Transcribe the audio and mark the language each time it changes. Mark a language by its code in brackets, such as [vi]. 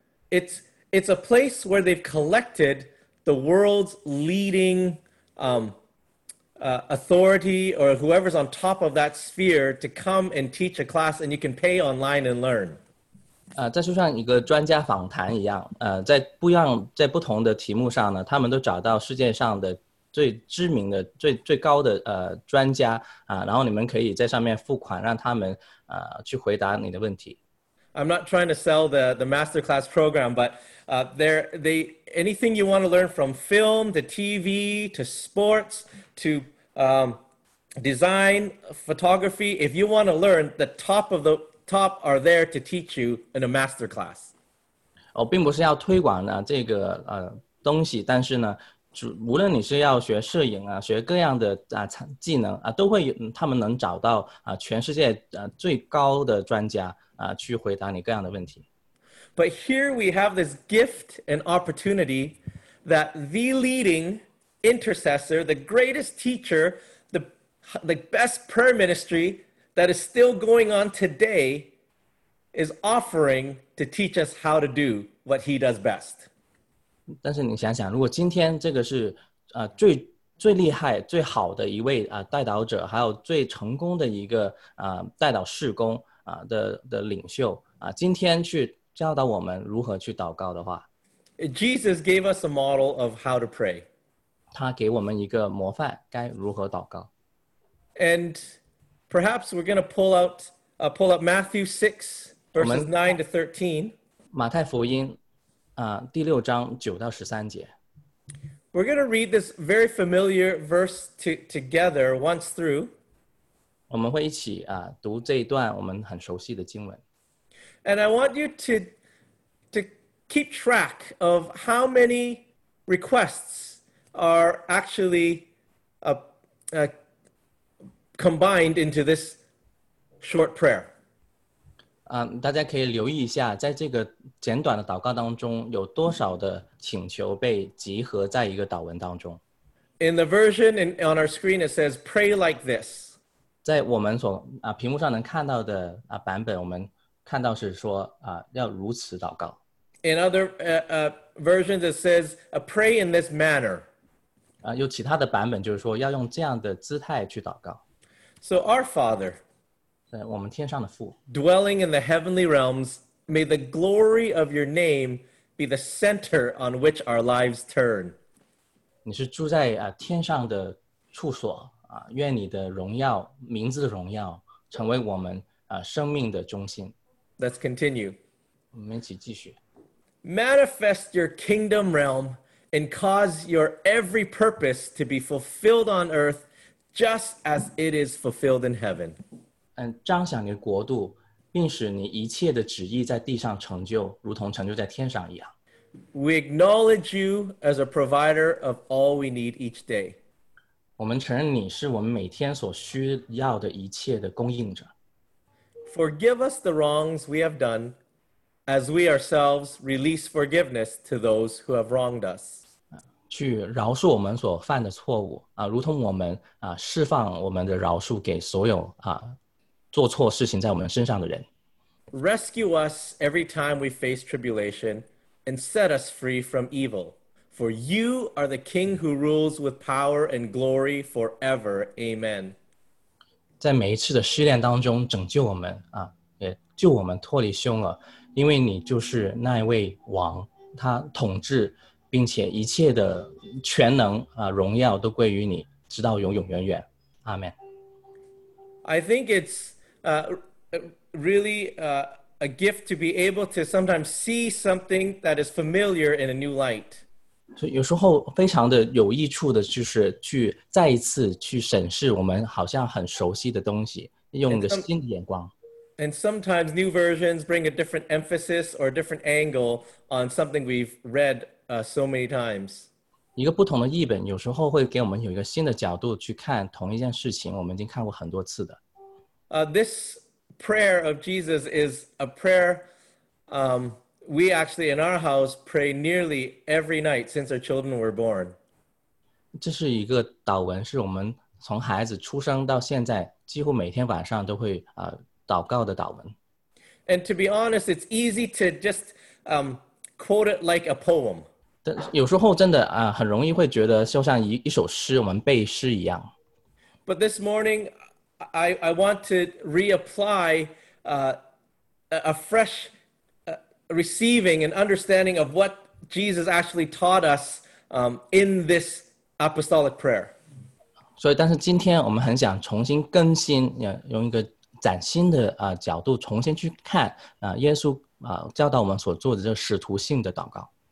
[en] It's a place where they've collected the world's leading authority or whoever's on top of that sphere to come and teach a class, and you can pay online and learn. [zh] 在书上一个专家访谈一样，在不同的题目上呢，他们都找到世界上的最知名的、最高的专家然后你们可以在上面付款，让他们去回答你的问题。 [en] I'm not trying to sell the masterclass program, but anything you want to learn from film to TV to sports to design, photography, if you want to learn, the top of the top are there to teach you in a masterclass. [zh] 哦，并不是要推广这个东西，但是呢，无论你是要学摄影学各样的技能都会他们能找到全世界最高的专家。去回答你各样的问题。 [en] But here we have this gift and opportunity that the leading intercessor, the greatest teacher, the best prayer ministry that is still going on today is offering to teach us how to do what he does best. [zh] 但是你想想，如果今天这个是最厉害、最好的一位代祷者，还有最成功的一个代祷事工的领袖今天去教导我们如何去祷告的话。 [en] Jesus gave us a model of how to pray. [zh] 他给我们一个模范该如何祷告。 [en] And perhaps we're going to pull up Matthew 6, verses 9 to 13. [zh] 马太福音第六章9到13节。 [en] We're going to read this very familiar verse together once through. [zh] 我们会一起读这一段我们很熟悉的经文。 [en] And I want you to keep track of how many requests are actually combined into this short prayer. [zh] 大家可以留意一下，在这个简短的祷告当中，有多少的请求被集合在一个祷文当中。 [en] In the version on our screen, it says, pray like this. [zh] 在我们所屏幕上能看到的版本，我们看到是说要如此祷告。 [en] In other versions, it says pray in this manner. [zh] 有其他的版本就是说要用这样的姿态去祷告。 [en] So our Father, [zh] 在我们天上的父 [en] ，dwelling in the heavenly realms, may the glory of your name be the center on which our lives turn. [zh] 你是住在天上的处所。愿你的荣耀，名字的荣耀，成为我们生命的中心。 [en] Let's continue. [zh] 我们一起继续。 [en] Manifest your kingdom realm and cause your every purpose to be fulfilled on earth just as it is fulfilled in heaven. [zh] 彰显你的国度，并使你一切的旨意在地上成就，如同成就在天上一样。 [en] We acknowledge you as a provider of all we need each day. [zh] 我们承认你是我们每天所需要的一切的供应者。 [en] Forgive us the wrongs we have done, as we ourselves release forgiveness to those who have wronged us. [zh] 去饶恕我们所犯的错误，如同我们释放我们的饶恕给所有做错事情在我们身上的人。 [en] Rescue us every time we face tribulation. And set us free from evil. For you are the King who rules with power and glory forever. Amen. [zh] 在每一次的试炼当中拯救我们，也救我们脱离凶恶，因为你就是那一位王，他统治，并且一切的全能，荣耀都归于你，直到永永远远。 [en] Amen. I think it's a gift to be able to sometimes see something that is familiar in a new light. [zh] 所以有时候非常的有益处的就是去再一次去审视我们好像很熟悉的东西，用一个新的眼光。 [en] And sometimes new versions bring a different emphasis or a different angle on something we've read so many times. [zh] 一个不同的译本有时候会给我们有一个新的角度去看同一件事情，我们已经看过很多次的。 [en] This prayer of Jesus is a prayer we actually in our house pray nearly every night since our children were born. [zh] 这是一个祷文，是我们从孩子出生到现在几乎每天晚上都会祷告的祷文。 [en] And to be honest, it's easy to just quote it like a poem. [zh] 但有时候真的很容易会觉得就像一首诗，我们背诗一样。 [en] But this morning,I want to reapply a fresh receiving and understanding of what Jesus actually taught us in this apostolic prayer. [zh] So, 但是今天我们很想重新更新，用一个崭新的角度重新去看耶稣教导我们所做的这使徒性的祷告。